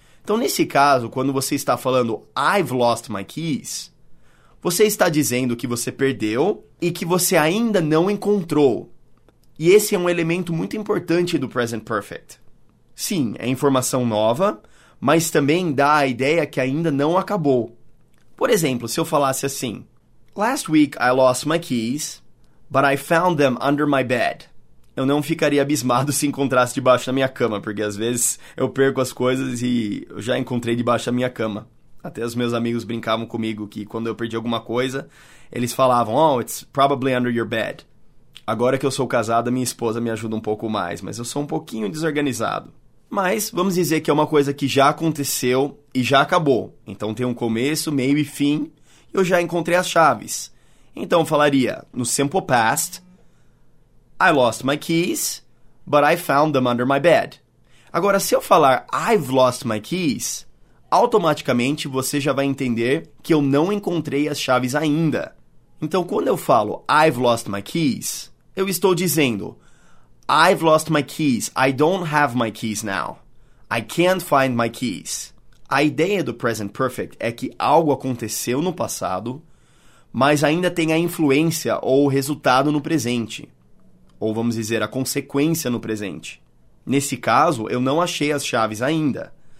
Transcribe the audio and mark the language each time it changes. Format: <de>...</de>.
<pt>Então, nesse caso, quando você está falando,</pt> <en>I've lost my keys,</en> <pt>você está dizendo que você perdeu e que você ainda não encontrou. E esse é um elemento muito importante do present perfect. Sim, é informação nova, mas também dá a ideia que ainda não acabou. Por exemplo, se eu falasse assim,</pt> <en>Last week I lost my keys, but I found them under my bed.</en> <pt>Eu não ficaria abismado se encontrasse debaixo da minha cama, porque às vezes eu perco as coisas e eu já encontrei debaixo da minha cama. Até os meus amigos brincavam comigo que quando eu perdi alguma coisa, eles falavam, oh,</pt> <en>it's probably under your bed.</en> <pt>Agora que eu sou casado, minha esposa me ajuda um pouco mais, mas eu sou um pouquinho desorganizado. Mas vamos dizer que é uma coisa que já aconteceu e já acabou. Então tem um começo, meio e fim, e eu já encontrei as chaves. Então eu falaria, no simple past,</pt> <en>I lost my keys, but I found them under my bed.</en> <pt>Agora, se eu falar</pt> <en>I've lost my keys,</en> <pt>automaticamente você já vai entender que eu não encontrei as chaves ainda. Então, quando eu falo</pt> <en>I've lost my keys,</en> <pt>eu estou dizendo</pt> <en>I've lost my keys, I don't have my keys now. I can't find my keys.</en> <pt>A ideia do present perfect é que algo aconteceu no passado, mas ainda tem a influência ou o resultado no presente. Ou vamos dizer, a consequência no presente. Nesse caso, eu não achei as chaves ainda.</pt>